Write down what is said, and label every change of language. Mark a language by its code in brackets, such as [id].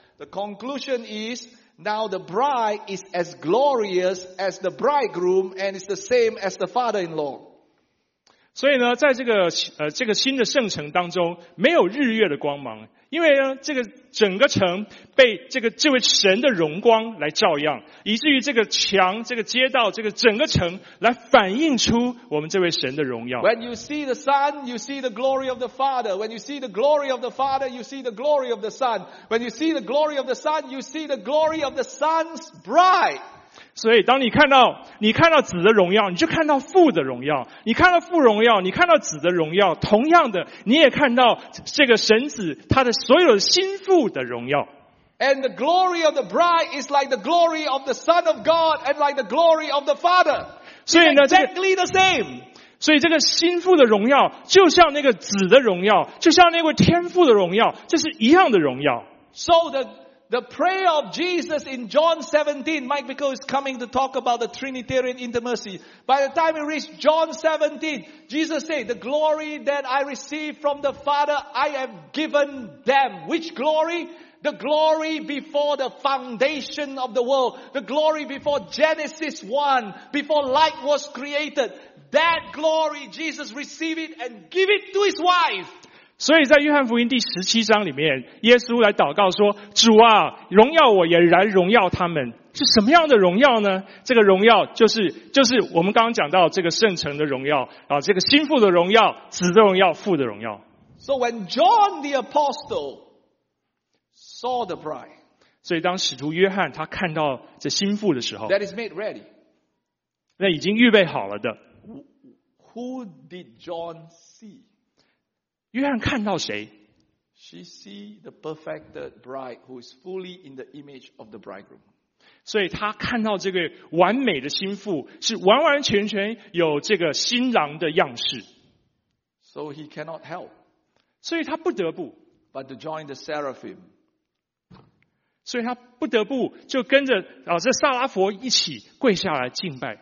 [en] The conclusion is now the bride is as glorious as the bridegroom and is the same as the father-in-law. [zh] 所以呢，在这个新的圣城当中，没有日月的光芒，因为呢，这个整个城被这位神的荣光来照耀，以至于这个墙、这个街道、这个整个城来反映出我们这位神的荣耀。 [en] When you see the Son, you see the glory of the Father. When you see the glory of the Father, you see the glory of the Son. When you see the glory of the Son, you see the glory of the Son's bride. [zh] 所以当你看到子的荣耀，你就看到父的荣耀，你看到父荣耀，你看到子的荣耀，同样的你也看到这个神子他的所有心腹的荣耀。 [en] And the glory of the bride is like the glory of the Son of God and like the glory of the Father. [zh] 所以呢 [en] exactly the same. [zh] 所以这个心腹的荣耀就像那个子的荣耀，就像那位天父的荣耀，这是一样的荣耀。 [en] So the prayer of Jesus in John 17, Mike Vico is coming to talk about the Trinitarian intimacy. By the time it reached John 17, Jesus said, the glory that I received from the Father, I have given them. Which glory? The glory before the foundation of the world. The glory before Genesis 1, before light was created. That glory, Jesus received it and gave it to his wife. [zh] 所以在约翰福音第十七章里面，耶稣来祷告说，主啊，荣耀我也来荣耀他们。是什么样的荣耀呢？这个荣耀就是我们刚刚讲到这个圣城的荣耀，这个心腹的荣耀，子的荣耀，父的荣耀。 [en] So when John the Apostle saw the bride, [zh] 所以当使徒约翰他看到这心腹的时候 [en] that is made ready. [zh] 那已经预备好了的。 [en] Who did John see? [zh] 约翰看到谁？ [en] She see the perfected bride who is fully in the image of the bridegroom. [zh] 所以他看到这个完美的新妇是完完全全有这个新郎的样式。 [en] So he cannot help. [zh] 所以他不得不 [en] but to join the seraphim. [zh] 所以他不得不就跟着这撒拉佛一起跪下来敬拜。